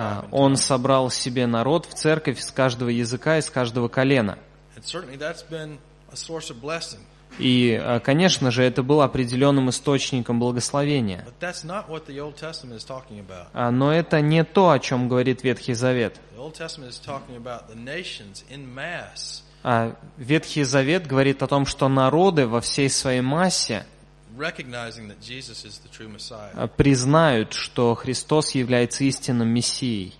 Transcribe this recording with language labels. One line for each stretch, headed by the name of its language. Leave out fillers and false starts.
Russian: Он собрал себе народ в церковь из каждого языка, из каждого колена.
English: And certainly that's been a source of blessing.
Russian: И, конечно же, это был определенным источником благословения.
English: But that's not what the Old Testament is talking about.
Russian: Но это не то, о чем говорит Ветхий Завет.
English: The Old Testament is talking about the nations in mass.
Russian: Ветхий Завет говорит о том, что народы во всей своей массе
English: recognizing that Jesus is the true Messiah.
Russian: Признают, что Христос является истинным Мессией.